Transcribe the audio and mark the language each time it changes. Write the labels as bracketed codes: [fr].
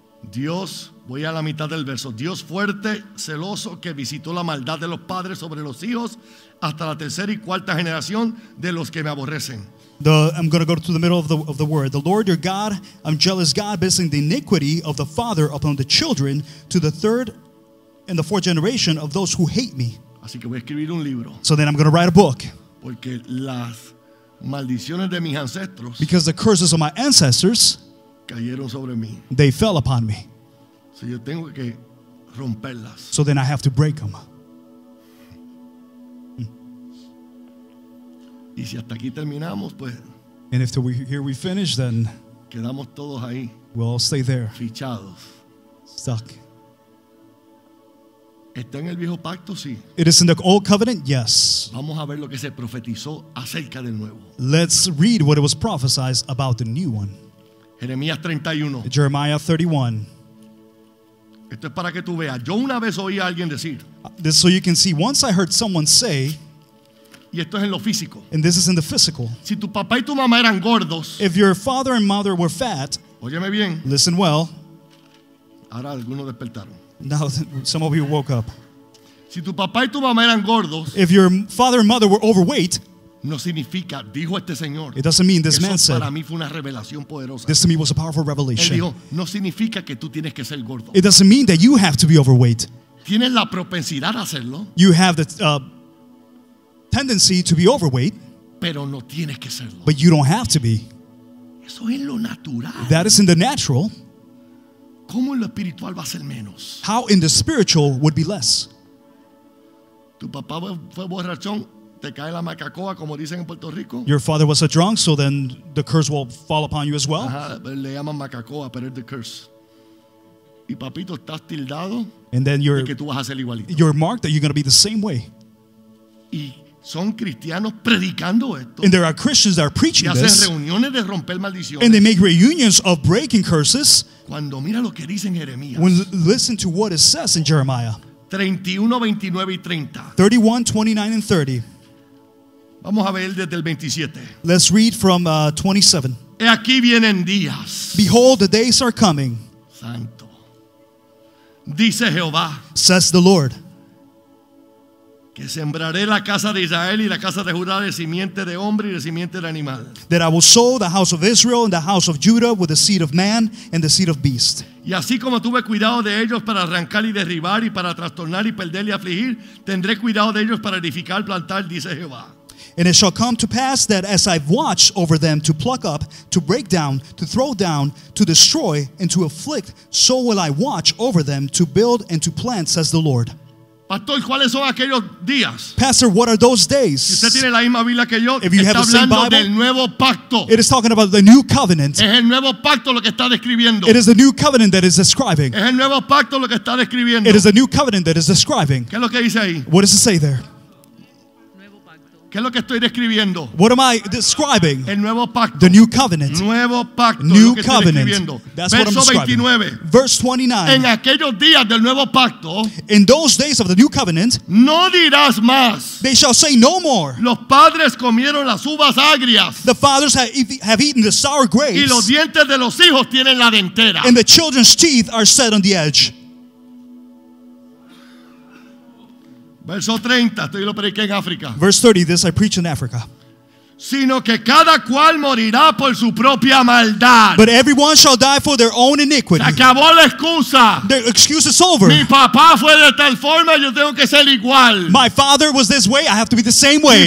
[es] Dios, voy a la mitad del verso. Dios fuerte, celoso, que visitó la maldad de los padres sobre los hijos hasta la tercera y cuarta generación de los que me aborrecen. [en] I'm going to go to the middle of the word. The Lord your God, I'm jealous God, visiting the iniquity of the father upon the children to the third and the fourth generation of those who hate me. [es] Así que voy a escribir un libro. [en] So then I'm going to write a book. [es] Porque las maldiciones de mis ancestros. [en] Because the curses of my ancestors. [es] Cayeron sobre mí. [en] They fell upon me. [es] So, yo tengo que romperlas. [en] So then I have to break them. [es] Y si hasta aquí terminamos, pues, [en] and if here we finish, then [es] quedamos todos ahí, [en] we'll all stay there. [es] Fichados. [en] Stuck. [es] ¿Está en el viejo pacto? Sí. [en] It is in the old covenant? Yes. [es] Vamos a ver lo que se profetizó acerca del nuevo. [en] Let's read what it was prophesied about the new one. [es] Jeremías 31. [en] Jeremiah 31. [es] Esto es para que tú veas. Yo una vez oí a alguien decir. [en] This so you can see. Once I heard someone say. [es] Y esto es en lo físico. [en] And this is in the physical. [es] Si tu papá y tu mamá eran gordos. [en] If your father and mother were fat. [es] Óyeme bien. [en] Listen well. [es] Ahora algunos despertaron. [en] Now some of you woke up. [es] Si tu papá y tu mamá eran gordos. [en] If your father and mother were overweight. [es] No significa, dijo este señor. [en] It doesn't mean this man [es] para [en] said. [es] Para mí fue una revelación poderosa. [en] This to me was a powerful revelation. [es] Él dijo, no significa que tú tienes que ser gordo. [en] It doesn't mean that you have to be overweight. [es] Tienes la propensidad a hacerlo. [en] You have the tendency to be overweight. [es] Pero no tienes que serlo. [en] But you don't have to be. [es] Eso es lo natural. [en] That is in the natural. [es] ¿Cómo en lo espiritual va a ser menos? [en] How in the spiritual would be less? [es] Tu papá fue borrachón. Te cae la macacoa, como dicen en Puerto Rico. [en] Your father was a drunk, so then the curse will fall upon you as well. [es] Ajá, le llaman macacoa, pero es the curse. Y papito, estás tildado. [en] And then you're, [es] de que tú vas a ser igualito. [en] You're marked that you're going to be the same way. [es] Y son cristianos predicando esto. [en] And there are Christians that are preaching [es] y hacen [en] this. [es] Reuniones de romper maldiciones. [en] And they make reunions of breaking curses. [es] Cuando mira lo que dice en Jeremías. [en] When listen to what it says in Jeremiah. [es] 31:29-30. [en] 31:29-30. [es] Vamos a ver desde el 27. [en] Let's read from 27. [es] He aquí vienen días. [en] Behold, the days are coming. [es] Santo. Dice Jehová. [en] Says the Lord. [es] Que sembraré la casa de Israel y la casa de Judá de simiente de hombre y de simiente de animal. [en] That I will sow the house of Israel and the house of Judah with the seed of man and the seed of beast. [es] Y así como tuve cuidado de ellos para arrancar y derribar y para trastornar y perder y afligir, tendré cuidado de ellos para edificar, plantar, dice Jehová. [en] And it shall come to pass that as I've watched over them to pluck up, to break down, to throw down, to destroy, and to afflict, so will I watch over them to build and to plant, says the Lord. [es] Pastor, ¿cuáles son aquellos días? [en] Pastor, what are those days? [es] Si usted tiene la misma Biblia que yo, [en] if you [es] está [en] have the same [es] hablando [en] Bible, [es] del nuevo pacto. [en] It is talking about the new covenant. [es] Es el nuevo pacto lo que está describiendo. [en] It is the new covenant that is describing. [es] Es el nuevo pacto lo que está describiendo. [en] It is the new covenant that is describing. [es] ¿Qué es lo que dice ahí? [en] What does it say there? [es] ¿Qué es lo que estoy describiendo? [en] What am I describing? [es] El nuevo pacto. [en] The new covenant. [es] Nuevo pacto. [en] New covenant. That's what I'm describing. Verse 29. [es] En aquellos días del nuevo pacto. [en] In those days of the new covenant. [es] No dirás más. [en] They shall say no more. [es] Los padres comieron las uvas agrias. [en] The fathers have eaten the sour grapes. [es] Y los dientes de los hijos tienen la dentera. [en] And the children's teeth are set on the edge. [es] Verso 30, estoy lo prediqué en África. [en] Verse 30, this I preach in Africa. [es] sino que cada cual morirá por su propia maldad. [en] But everyone shall die for their own iniquity. [es] Se acabó la excusa. [en] The excuse is over. [es] Mi papá fue de tal forma, yo tengo que ser igual. [en] My father was this way, I have to be the same way.